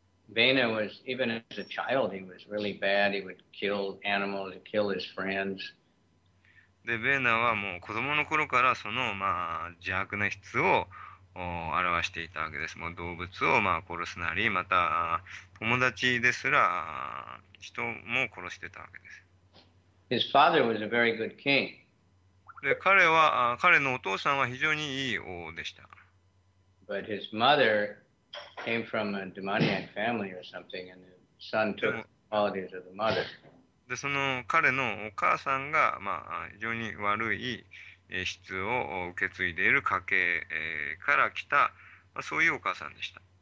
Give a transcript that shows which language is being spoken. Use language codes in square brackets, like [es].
[en] Vena was, even as a child, he was really bad. He would kill animals, kill his friends. [ja] で、ウェーナはもう子供の頃からその邪悪な質を表していたわけです。もう動物を殺すなり、また友達ですら人も殺してたわけ [en] His father was a very good king. [ja] です。で、彼のお父さんは非常にいい王でした。 [en] But his mother came from a demoniac family or something, and the son [ja] で [en] took [ja] も、 [en] qualities of the mother. [ja] で、その彼のお母さんが非常に悪い質を受け継いでいる家系から来た、そういうお母さんでした。